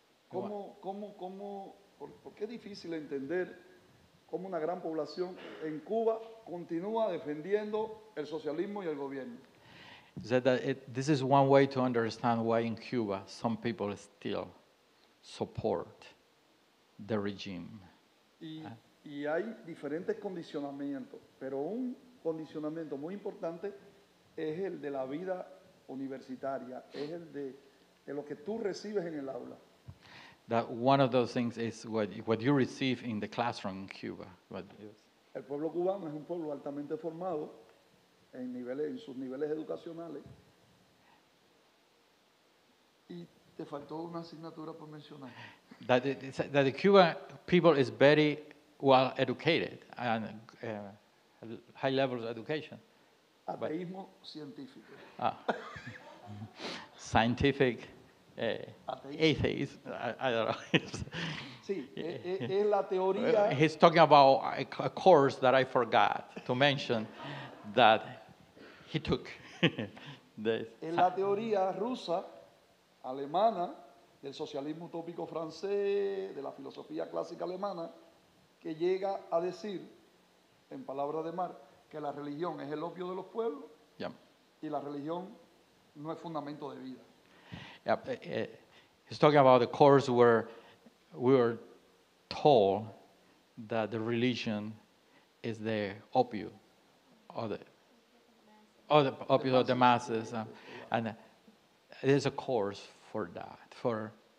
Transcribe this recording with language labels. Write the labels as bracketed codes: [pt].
[es] ¿Por qué es difícil entender cómo una gran población en Cuba continúa defendiendo el socialismo y el gobierno? [en] This is one way to understand why in Cuba some people still support the regime. [es] Y hay diferentes condicionamientos, pero un condicionamiento muy importante es el de la vida universitaria, es el de lo que tú recibes en el aula. [en] That one of those things is what you receive in the classroom in Cuba. [es] El pueblo cubano es un pueblo altamente formado. En sus niveles educacionales. Y te faltó una asignatura por mencionar. [en] That the Cuban people is very well educated and high levels of education. [es] Ateísmo científico. [en] Ah. scientific atheist. I don't know. He's talking about a course that I forgot to mention that he took. [es] En la teoría rusa, alemana, del socialismo utópico francés, de la filosofía clásica alemana, que llega a decir, en palabras de Marx, que la religión es el opio de los pueblos y la religión no es fundamento de vida. [en] Yep. He's talking about the course where we were told that the religion is the opium of the masses. And there's a course for that.